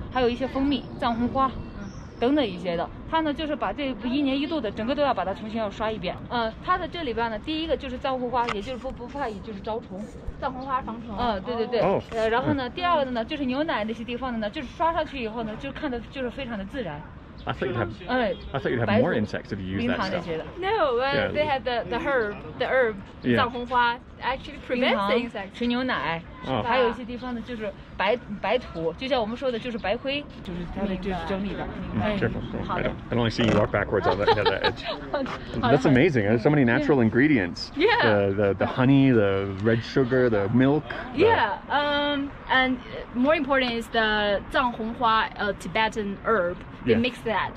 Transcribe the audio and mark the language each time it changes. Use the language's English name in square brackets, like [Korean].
[Chinese] 还有一些蜂蜜、藏红花等等一些的。它呢就是把这一年一度的整个都要把它重新要刷一遍。它的这里边呢，第一个就是藏红花，也就是不怕就是招虫，藏红花防虫。对对对。然后呢，第二个呢就是牛奶那些地方的呢，就是刷上去以后呢，就看的就是非常的自然。 [English] I thought you'd have more insects if you use that stuff. No, they had the herb, yeah. 藏红花, actually prevents the insects. [Chinese] 纯牛奶, 还有一些地方呢就是白土, 就像我们说的就是白灰, 就是它的整理的。 [English] I don't see you walk backwards on that edge. That's amazing, there's so many natural ingredients. Yeah. The honey, the red sugar, the milk. And more important is the 藏红花, a Tibetan herb. They mix that.